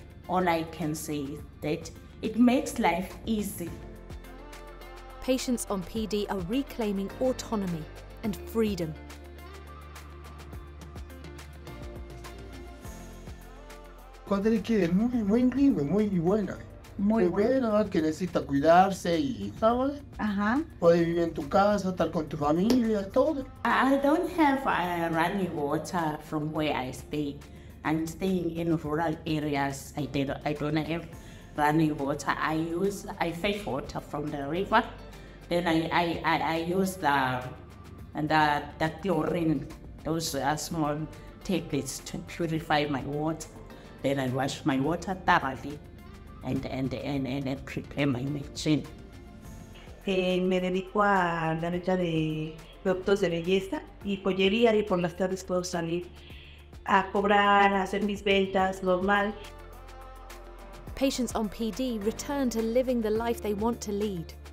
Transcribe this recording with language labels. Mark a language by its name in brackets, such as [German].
[English] All I can say is that it makes life easy. Patients on PD are reclaiming autonomy and freedom. [Spanish] Cuando le quieren, muy, muy lindo, muy bueno. Muy bueno, que necesita cuidarse y, ¿sabes? Ajá. Puede vivir en tu casa, estar con tu familia, todo. [English] I don't have running water from where I stay. I'm staying in rural areas. I don't have running water. I fetch water from the river. Then I use the chlorine, those small tablets to purify my water. Then I wash my water thoroughly. And prepare my machine. [Spanish] Me dedico a la venta de productos de belleza y joyería y por las tardes puedo salir a cobrar, a hacer mis ventas normal. [English] Patients on PD return to living the life they want to lead.